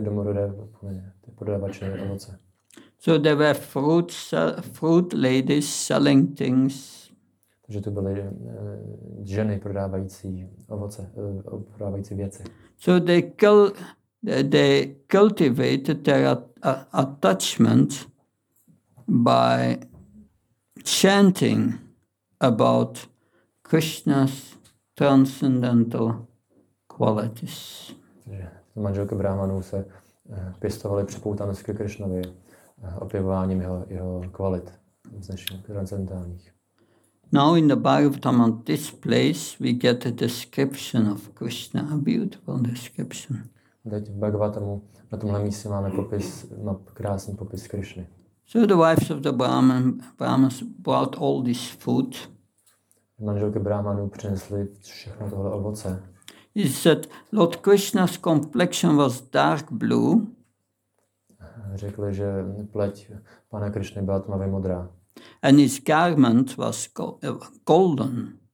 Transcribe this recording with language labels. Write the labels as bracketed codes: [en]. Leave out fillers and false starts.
[cs] domorodé úplně, ty podlevače ovoce. [en] So there were fruit ladies selling things. [cs] Takže to byly ženy prodávající ovoce, prodávající věci. [en] So they cultivated their attachment by chanting about Krishna's transcendental qualities. [cs] Takže manželky brahmanů se pěstovaly připoutanost ke Krišnovi opěvováním jeho kvalit transcendentálních. [en] Now in the Bhagavatam, at this place, we get a description of Krishna, a beautiful description. [cs] Teď v Bhagavatamu, na tomhle místě máme popis, na krásný popis Krišny. [en] So the wives of the Brahmans brought all this food. [cs] Manželky Brahmanů přinesly všechno tohle ovoce. [en] He said, Lord Krishna's complexion was dark blue. [cs] Řekli, že pleť pana Krišny byla tmavě modrá. [en] And his garment was golden.